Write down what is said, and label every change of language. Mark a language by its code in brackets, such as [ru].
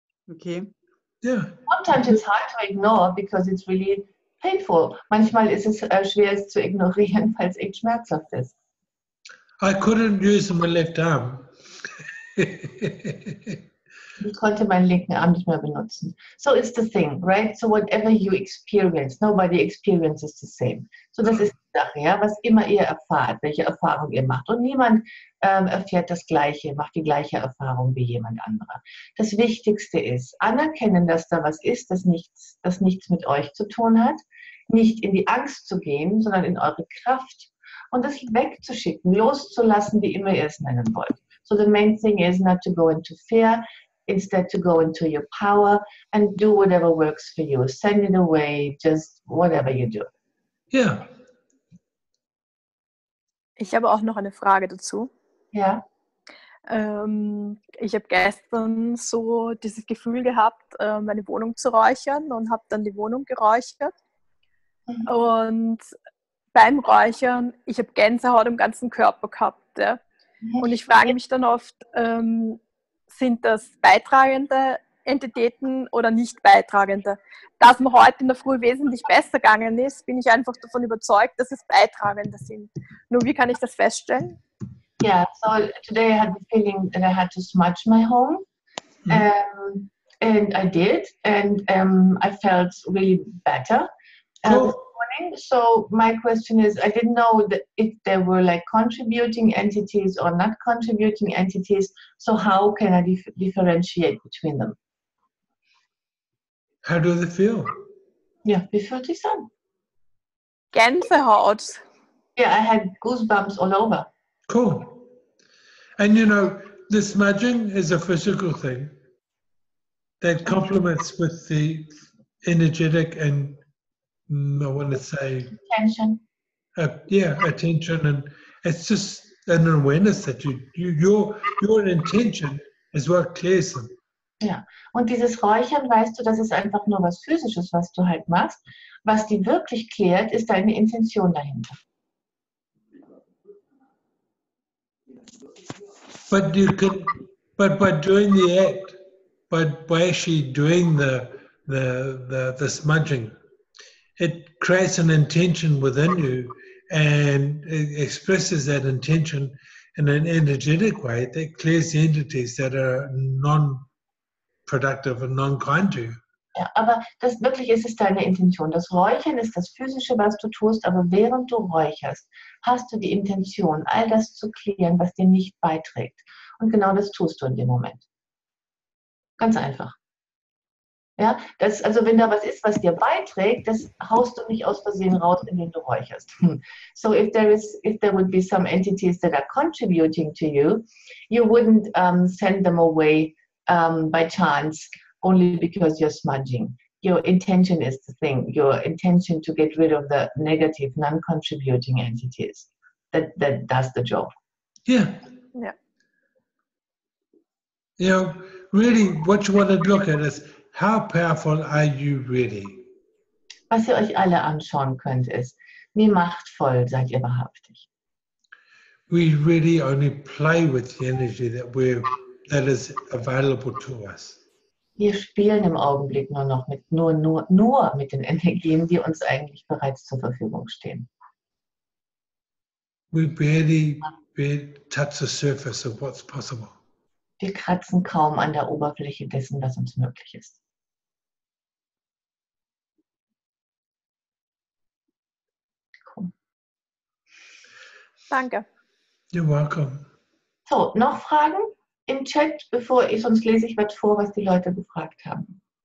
[en] Okay. Yeah. Sometimes it's hard to ignore because it's really painful. [de] Manchmal ist es schwer, es zu ignorieren, weil es echt schmerzhaft ist. [en] I couldn't use my left arm. [de] Ich konnte meinen linken Arm nicht mehr benutzen. [en] So is the thing, right? So whatever you experience, nobody experiences the same. [de] So das ist die Sache, ja? Was immer ihr erfahrt, welche Erfahrung ihr macht. Und niemand erfährt das Gleiche, macht die gleiche Erfahrung wie jemand anderer. Das Wichtigste ist, anerkennen, dass da was ist, das nichts mit euch zu tun hat, nicht in die Angst zu gehen, sondern in eure Kraft und das wegzuschicken, loszulassen, wie immer ihr es nennen wollt. [en] So the main thing is not to go into fear, instead to go into your power and do whatever works for you. Send it away, just whatever you do. Yeah. [de] Ich habe auch noch eine Frage dazu. Ja. Yeah. Ich habe gestern so dieses Gefühl gehabt, meine Wohnung zu räuchern und habe dann die Wohnung geräuchert. Mhm. Und beim Räuchern, ich habe Gänsehaut im ganzen Körper gehabt. Ja. Und ich frage mich dann oft, sind das beitragende Entitäten oder nicht beitragende? Dass mir heute in der Früh wesentlich besser gegangen ist, bin ich einfach davon überzeugt, dass es beitragende sind. Nur wie kann ich das feststellen? [en] Ja, so today I had the feeling that I had to smudge my home. And I did. And I felt really better. So my question is, I didn't know if there were like contributing entities or not contributing entities. So how can I differentiate between them? How do they feel? [de] Yeah, wie fühlt sich an? Gänsehaut. [en] Yeah, I had goosebumps all over. Cool. And you know, the smudging is a physical thing that complements with the energetic and I want to say attention. Attention, and it's just an awareness that your intention is what clears them. [de] Ja, und dieses Räuchern, weißt du, das ist einfach nur was Physisches, was du halt machst. Was die wirklich klärt, ist deine Intention dahinter. [en] But by doing the act, by actually doing the smudging, it creates an intention within you and it expresses that intention in an energetic way that clears the entities that are non-productive and non-kind to you. [de] Ja, aber das wirklich ist es deine Intention. Das Räuchern ist das Physische, was du tust, aber während du räucherst, hast du die Intention, all das zu klären, was dir nicht beiträgt. Und genau das tust du in dem Moment. Ganz einfach. Ja, das, also wenn da was ist, was dir beiträgt, das haust du nicht aus Versehen raus, indem du räucherst. [en] So if there would be some entities that are contributing to you, you wouldn't send them away by chance only because you're smudging. Your intention is the thing. Your intention to get rid of the negative, non-contributing entities. That does the job. Yeah. Yeah. You know, really, what you want to look at is how powerful are you really? [de] Was ihr euch alle anschauen könnt, ist, wie machtvoll seid ihr wahrhaftig? [en] We really only play with the energy that is available to us. [de] Wir spielen im Augenblick nur noch mit nur mit den Energien, die uns eigentlich bereits zur Verfügung stehen. [en] We barely touch the surface of what's possible. [de] Wir kratzen kaum an der Oberfläche dessen, was uns möglich ist. Cool. Danke. [en] You're welcome. [de] So, noch Fragen im Chat, bevor ich, sonst lese ich was vor, was die Leute gefragt haben.